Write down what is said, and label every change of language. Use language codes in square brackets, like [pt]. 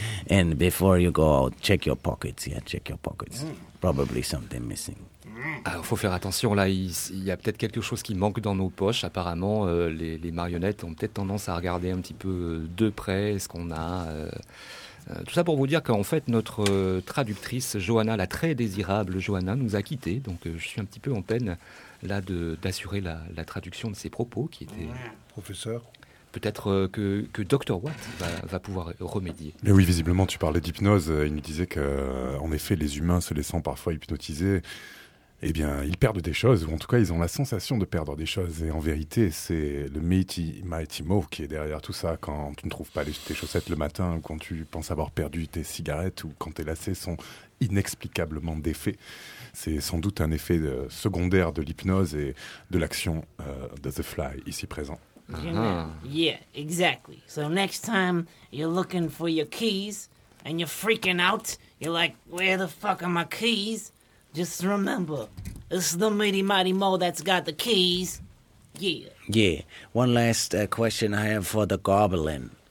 [en] And before you go out, check your pockets. Yeah, check your pockets. Probably something missing. [fr] Alors, faut faire attention là. Il y a peut-être quelque chose qui manque dans nos poches. Apparemment, les marionnettes ont peut-être tendance à regarder un petit peu de près ce qu'on a. Tout ça pour vous dire qu'en fait, notre traductrice Johanna, la très désirable Johanna, nous a quittés. Donc, je suis un petit peu en peine là d'assurer la traduction de ses propos, qui étaient professeur. Peut-être que Dr. Watt va pouvoir remédier. Mais oui, visiblement, tu parlais d'hypnose. Il nous disait qu'en effet, les humains se laissant parfois hypnotiser, eh bien, ils perdent des choses, ou en tout cas, ils ont la sensation de perdre des choses. Et en vérité, c'est le Mighty Mighty Mo qui est derrière tout ça. Quand tu ne trouves pas tes chaussettes le matin, ou quand tu penses avoir perdu tes cigarettes, ou quand tes lacets sont inexplicablement défaits, c'est sans doute un effet secondaire de l'hypnose et de l'action de The Fly, ici présent. [en] Yeah, exactly. So next time you're looking for your keys and you're freaking out, you're like, where the fuck are my keys? Just remember, it's the Mighty Mighty Mo that's got the keys. Yeah. Yeah. One last question I have for the goblin.